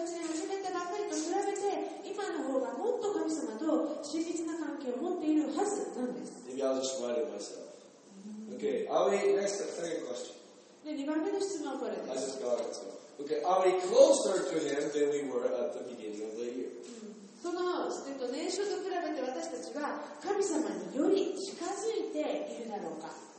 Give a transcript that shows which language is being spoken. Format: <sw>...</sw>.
<ja>の方がもっと神様と親密な関係を持っているはずなんです。</ja> <en>Maybe I'll just worry myself. Okay, are we next? Second question.</en> <ja>で、2番目の質問はこれです。</ja> <en>I just got it, so. Okay, are we closer to him than we were at the beginning of the year?</en> <ja>その年初と比べて私たちは神様により近づいているだろうか。</ja>